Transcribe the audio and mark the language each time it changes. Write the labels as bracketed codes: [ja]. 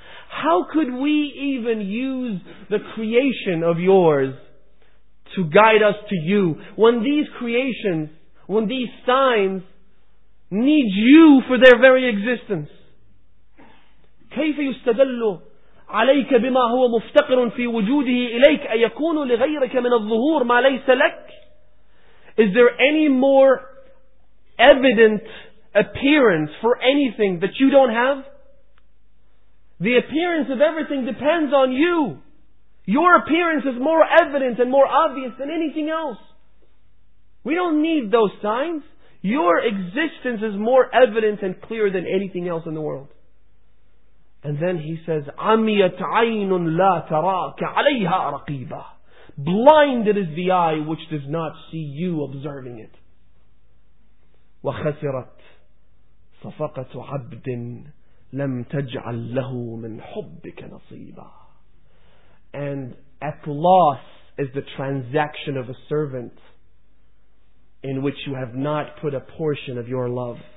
[en] How could we even use the creation of yours to guide us to you when these creations, when these signs need you for their very existence? [ar] كيف يستدل عليك بما هو مفتقر في وجوده إليك أيكون لغيرك من الظهور ما ليس لك. [en] Is there any more evident appearance for anything that you don't have? The appearance of everything depends on you. Your appearance is more evident and more obvious than anything else. We don't need those signs. Your existence is more evident and clear than anything else in the world. And then he says, [ar] عَمِيَتْ عَيْنٌ لَا تَرَاكَ عَلَيْهَا رَقِيبًا. [en] Blinded is the eye which does not see you observing it. [ar] وَخَسِرَتْ صَفَقَةُ عَبْدٍ لَمْ تَجْعَلْ لَهُ مِنْ حُبِّكَ نَصِيبًا. [en] And at loss is the transaction of a servant in which you have not put a portion of your love.